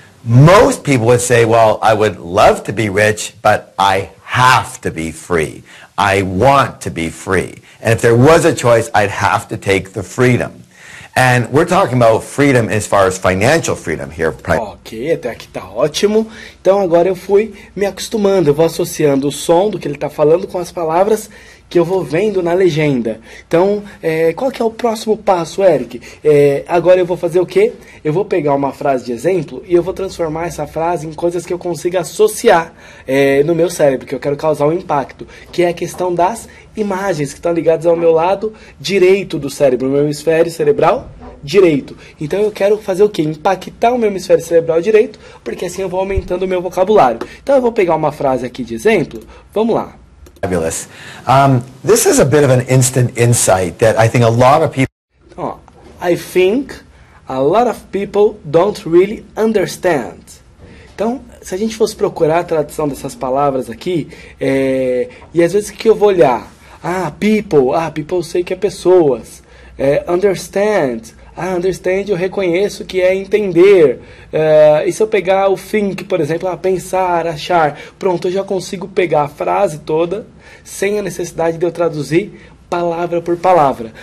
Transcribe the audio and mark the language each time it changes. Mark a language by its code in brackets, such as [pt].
[en] Most people would say, well, I would love to be rich, but I have to be free. I want to be free. And if there was a choice, I'd have to take the freedom. And we're talking about freedom as far as financial freedom here. [pt] Ok, até aqui tá ótimo. Então agora eu fui me acostumando, eu vou associando o som do que ele tá falando com as palavras que eu vou vendo na legenda. Então, qual que é o próximo passo, Eric? Agora eu vou fazer o quê? Eu vou pegar uma frase de exemplo e eu vou transformar essa frase em coisas que eu consiga associar no meu cérebro, que eu quero causar um impacto, que é a questão das imagens que estão ligadas ao meu lado direito do cérebro, meu hemisfério cerebral direito. Então eu quero fazer o quê? Impactar o meu hemisfério cerebral direito, porque assim eu vou aumentando o meu vocabulário. Então eu vou pegar uma frase aqui de exemplo, vamos lá. [en] Fabulous. This is a bit of an instant insight that I think a lot of people... I think a lot of people don't really understand. [pt] Então, se a gente fosse procurar a tradução dessas palavras aqui, e às vezes que eu vou olhar? People, eu sei que é pessoas. Understand. Understand, eu reconheço que é entender. E se eu pegar o think, por exemplo, pensar, achar, pronto, eu já consigo pegar a frase toda sem a necessidade de eu traduzir palavra por palavra.